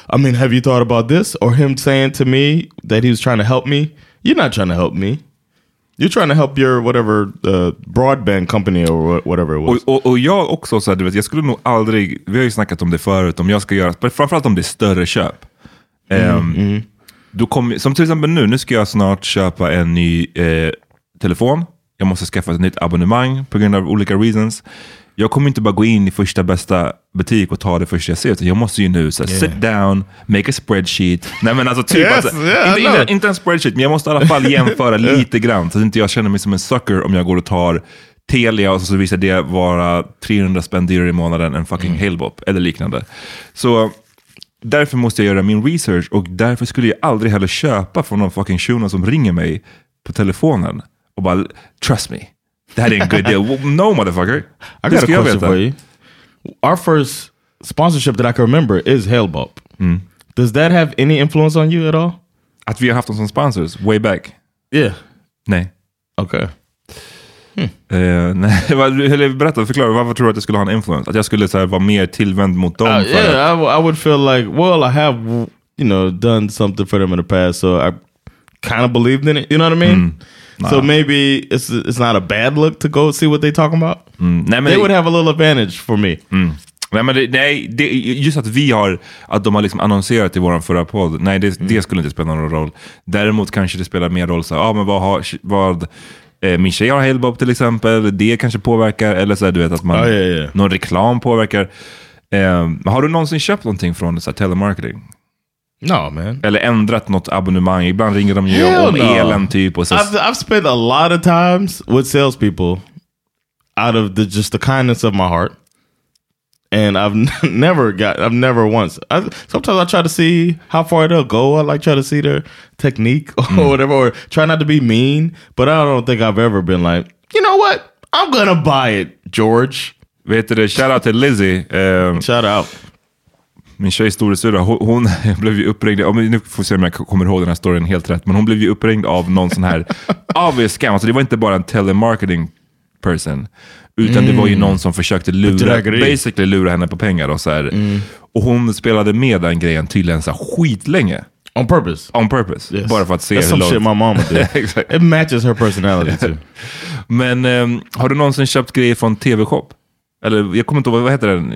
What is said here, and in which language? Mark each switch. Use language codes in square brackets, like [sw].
[en] I mean, have you thought about this? Or him saying to me that he was trying to help me? You're not trying to help me. You're trying to help your whatever broadband company or whatever it was. [sv] Och jag också så här, du vet, jag skulle nog aldrig, vi har ju snackat om det förut, om jag ska göra, framförallt om det är större köp. Då kommer, som till exempel nu ska jag snart köpa en ny telefon. Jag måste skaffa ett nytt abonnemang på grund av olika reasons. Jag kommer inte bara gå in i första bästa butik och ta det första jag ser. Jag måste ju nu så här, yeah. [en] sit down, make a spreadsheet. [sv] Nej men alltså typ, [en] yes, [sv] alltså, [en] yeah, [sv] inte en spreadsheet, men jag måste i alla fall jämföra lite grann. Så att inte jag känner mig som en sucker om jag går och tar Telia och så visar det vara 300 spänn dyrare i månaden än fucking Halebop eller liknande. Så därför måste jag göra min research och därför skulle jag aldrig heller köpa från någon fucking tjona som ringer mig på telefonen och bara, [en] trust me. That ain't good deal. No, motherfucker. I got a question for you. Our first sponsorship that I can remember is Halebop. Mm. Does that have any influence on you at all? [sv] Att vi har haft [en] some sponsors way back. Yeah. [sv] Nej. [en] Okay. [sv] Nej. Berätta, förklara. Varför tror du att det skulle ha en influence? Att jag skulle så här, vara mer tillvänd mot dem? [en] I would feel like, well, I have, you know, done something for them in the past, so I kind of believed in it. You know what I mean? Mm. Nah. So maybe it's not a bad look to go see what they're talking about. [sv] Mm. Nej, men [en] they would have a little advantage for me. Mm. [sv] Nej, just att vi har, att de har liksom annonserat i våran förra podd. Nej, det skulle inte spela någon roll. Däremot kanske det spelar mer roll. Så, ah, men min tjej har Halebop till exempel. Det kanske påverkar. Eller så här, du vet att man, någon reklam påverkar. Har du någonsin köpt någonting från så här, telemarketing? [en] No, man. [sv] Eller ändrat något abonnemang. Ibland ringer de ju om elen typ. Och så. [en] I've spent a lot of times with salespeople out of just the kindness of my heart. And I've never once sometimes I try to see how far they'll go. I like try to see their technique or whatever. Or try not to be mean. But I don't think I've ever been like, you know what? I'm gonna buy it, George. [sv] Vet du, [en] shout out to Lizzie. Shout out. [sv] Min tjej storasyrra, hon blev ju uppringd, nu får vi se om jag kommer ihåg den här storyn helt rätt, men hon blev ju uppringd av någon sån här [en] obvious scam, [sv] alltså det var inte bara en telemarketing person, utan det var ju någon som försökte lura henne på pengar och så här. Och hon spelade med den grejen tydligen så skitlänge. [en] On purpose. [sv] Yes. Bara för att se [en] that's [sv] hur [en] some [sv] långt. [en] Shit my mom would do. Exactly. It matches her personality too. [sv] Men har du någonsin köpt grejer från TV-shop? Eller jag kommer inte ihåg, vad heter den?